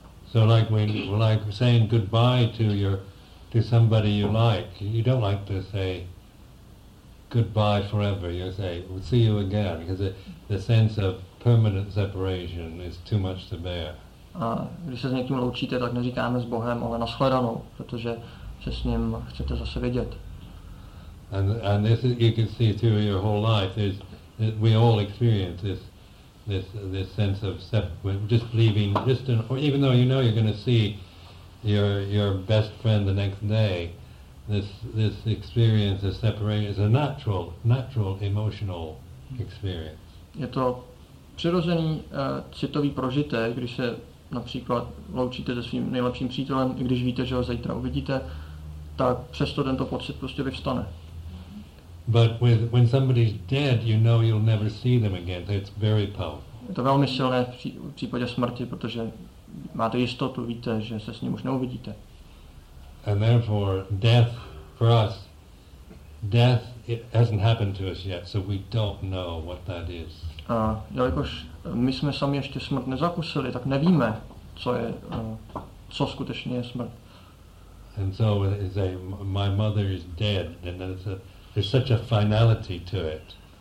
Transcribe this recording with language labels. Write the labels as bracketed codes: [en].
[en] So like saying goodbye to somebody you like. You don't like to say goodbye forever. You say we'll see you again, because the sense of permanent separation is too much to bear. [cs] A když se s někým loučíte, tak neříkáme s Bohem, ale nashledanou, protože se s ním chcete zase vidět. [en] And this is, you can see through your whole life is we all experience this sense of just leaving, even though you know you're going to see your best friend the next day, this experience of separation is a natural emotional experience. [cs] Je to přirozený citový prožitek, když se například loučíte se svým nejlepším přítelem, i když víte, že ho zítra uvidíte, tak přesto tento pocit prostě vyvstane. [en] But when somebody's dead, you know you'll never see them again. That's very powerful. [cs] Je to velmi silné v případě smrti, protože máte jistotu, víte, že se s ním už neuvidíte. [en] And therefore death for us, death it hasn't happened to us yet, so we don't know what that is. [cs] A jelikož my jsme sami ještě smrt nezakusili, tak nevíme, co je, co skutečně je smrt. [en] And so it's a, my mother is dead, and there's such a finality to it.